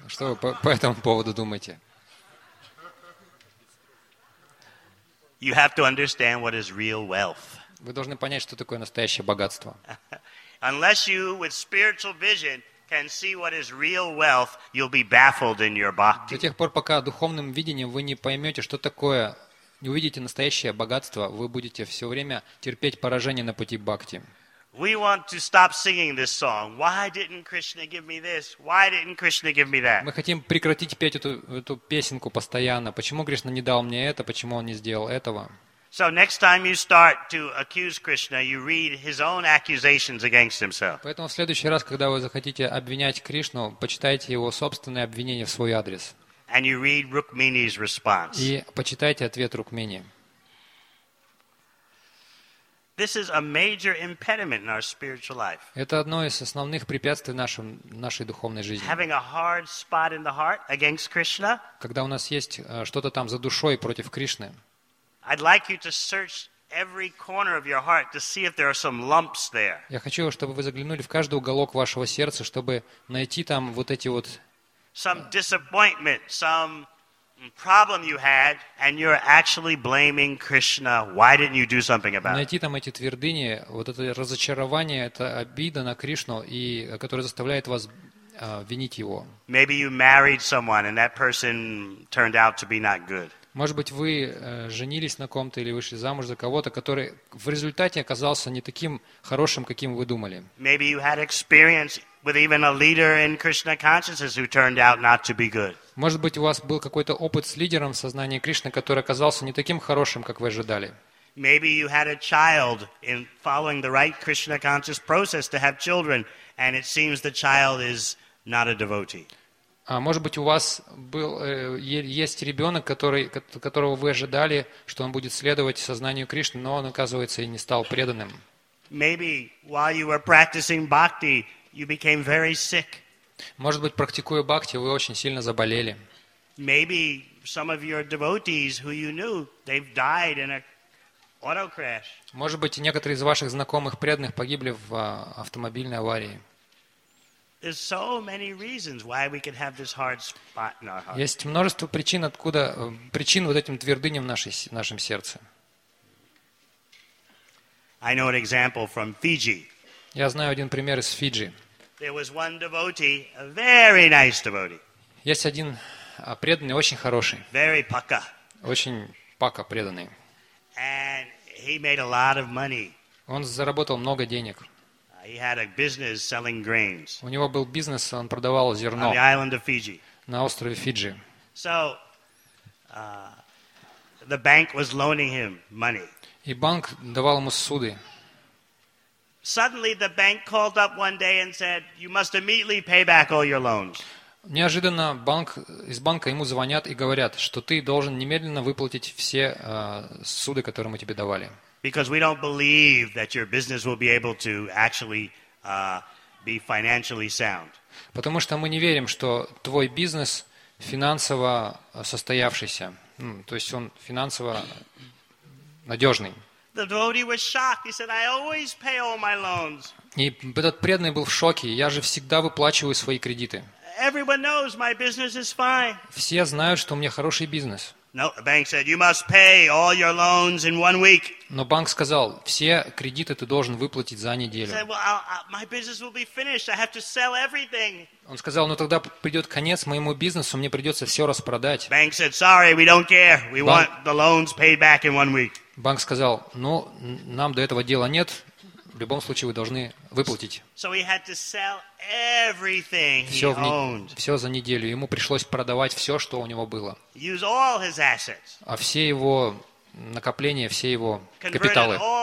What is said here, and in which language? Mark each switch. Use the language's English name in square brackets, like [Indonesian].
[Russian] Что вы по этому поводу думаете? [English] You have to understand what is real wealth. [Russian] Вы должны понять, что такое настоящее богатство. [English] Unless you, with spiritual vision, can see what is real wealth, you'll be baffled in your bhakti. [Russian] До тех пор, пока духовным видением вы не поймете, что такое, не увидите настоящее богатство, вы будете все время терпеть поражение на пути бхакти. [English] We want to stop singing this song. Why didn't Krishna give me this? Why didn't Krishna give me that? [Russian] Мы хотим прекратить петь эту песенку постоянно. Почему Кришна не дал мне это? Почему он не сделал этого? [English] So next time you start to accuse Krishna, you read his own accusations against himself. [Russian] Поэтому в следующий раз, когда вы захотите обвинять Кришну, почитайте его собственные обвинения в свой адрес. [English] And you read Rukmini's response. [Russian] И почитайте ответ Рукмини. [English] This is a major impediment in our spiritual life. [Russian] Это одно из основных препятствий нашей духовной жизни. [English] Having a hard spot in the heart against Krishna. [Russian] Когда у нас есть что-то там за душой против Кришны. [English] I'd like you to search every corner of your heart to see if there are some lumps there. [Russian] Я хочу, чтобы вы заглянули в каждый уголок вашего сердца, чтобы найти там вот эти вот. [English] Some disappointment, some problem you had, and you're actually blaming Krishna. Why didn't you do something about it? [Russian] Найти там эти твердыни, вот это разочарование, это обида на Кришну, и которая заставляет вас винить его. [English] Maybe you married someone, and that person turned out to be not good. [Russian] Может быть, вы женились на ком-то или вышли замуж за кого-то, который в результате оказался не таким хорошим, каким вы думали. [English] Maybe you had experience with even a leader in Krishna consciousness who turned out not to be good. [Russian] Может быть, у вас был какой-то опыт с лидером в сознании Кришны, который оказался не таким хорошим, как вы ожидали. [English] Maybe you had a child in following the right Krishna conscious process to have children, and it seems the child is not a devotee. [Russian] А может быть, у вас был есть ребенок, которого вы ожидали, что он будет следовать сознанию Кришны, но он, оказывается, и не стал преданным. [English] Maybe while you were practicing bhakti, you became very sick. [Russian] Может быть, практикуя бхакти, вы очень сильно заболели. [English] Maybe some of your devotees who you knew, they've died in an auto crash. [Russian] Может быть, некоторые из ваших знакомых преданных погибли в автомобильной аварии. [English] There's so many reasons why we could have this hard spot in our heart. [Russian] Есть множество причин, откуда причин вот этим твердыням в нашем сердце. [English] I know an example from Fiji. [Russian] Я знаю один пример из Фиджи. [English] There was one devotee, a very nice devotee. [Russian] Есть один преданный, очень хороший. [English] Very pakka. [Russian] Очень пакка преданный. [English] And he made a lot of money. [Russian] Он заработал много денег. [English] He had a business selling grains. [Russian] У него был бизнес, он продавал зерно. [English] On the island of Fiji. [Russian] На острове Фиджи. [English] So, the bank was loaning him money. [Russian] И банк давал ему ссуды. [English] Suddenly the bank called up one day and said, "You must immediately pay back all your loans." [Russian] Неожиданно из банка ему звонят и говорят, что ты должен немедленно выплатить все ссуды, которые мы тебе давали. [English] Because we don't believe that your business will be able to actually be financially sound. [Russian] Потому что мы не верим, что твой бизнес финансово состоявшийся. То есть он финансово надежный. [English] The devotee was shocked. He said, "I always pay all my loans." [Russian] И этот преданный был в шоке. Я же всегда выплачиваю свои кредиты. [English] Everyone knows my business is fine. [Russian] Все знают, что у меня хороший бизнес. [English] No, the bank said, "You must pay all your loans in 1 week." [Russian] Но банк сказал, все кредиты ты должен выплатить за неделю. [English] He said, "Well, my business will be finished. I have to sell everything." [Russian] Он сказал, ну тогда придет конец моему бизнесу, мне придется все распродать. [English] Bank said, "Sorry, we don't care. We want the loans paid back in 1 week." [Russian] Банк сказал, ну нам до этого дела нет. В любом случае вы должны выплатить. [English] So he had to sell everything he owned. [Russian] Все за неделю. Ему пришлось продавать все, что у него было. [English] Use all his assets. [Russian] А все его накопления, все его капиталы.